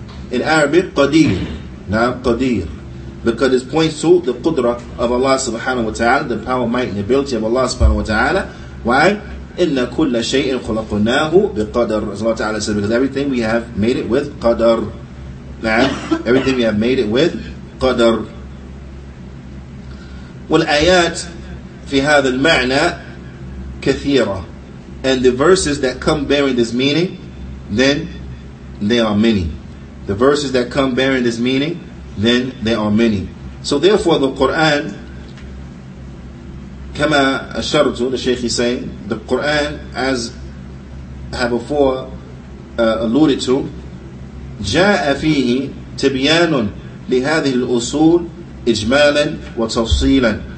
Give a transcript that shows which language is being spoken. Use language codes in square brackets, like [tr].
[en] In Arabic, قَدِير. Now, قَدِير. Because it points to the قُدْرَة of Allah subhanahu wa ta'ala, the power, might, and ability of Allah subhanahu wa ta'ala. Why? [ar] إِنَّ كُلَّ شَيْءٍ خُلَقُنَاهُ بِقَدَرٍ. [en] As Allah ta'ala said, because everything we have made it with, قَدَر. Everything we have made it with, قدر. [ar] والآيات في هذا المعنى كثيرة. [en] And the verses that come bearing this meaning, then they are many. The verses that come bearing this meaning, then they are many. So therefore the Qur'an, [ar] كما أشرت, [en] the Shaykh is saying, the Qur'an, as I have before alluded to, [ar] جاء فيه تبيان لهذه الأصول إجمالا وتفصيلا.